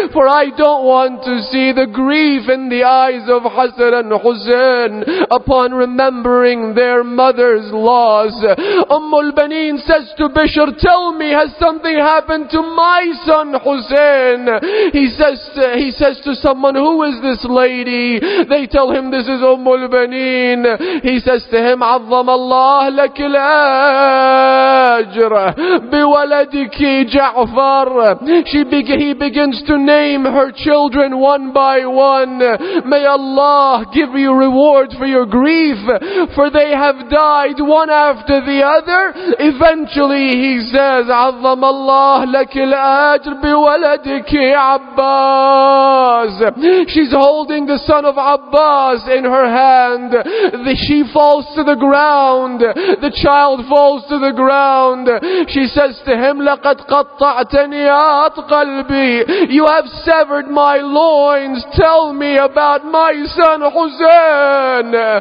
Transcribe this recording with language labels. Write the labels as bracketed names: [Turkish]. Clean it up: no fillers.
[English] For I don't want to see the grief in the eyes of Hassan and Hussein upon remembering their mother's loss. Ummul Baneen says to Bishr, tell me, has something happened to my son Hussein? He says to someone, who is this lady? They tell him, this is Ummul Baneen. He says to him, [Arabic] عظم الله لك الأجر بولدك جعفر. [English] He begins to name her children one by one. May Allah give you reward for your grief, for they have died one after the other. Eventually he says, [Arabic] عظم الله لك الأجر بولدك عباس. [English] She's holding the son of Abbas in her hand. She falls to the ground. The child falls to the ground. She says to him, [Arabic] لقد قطعتني أط قلبي. [English] You have severed my loins. Tell me about my son Hussein.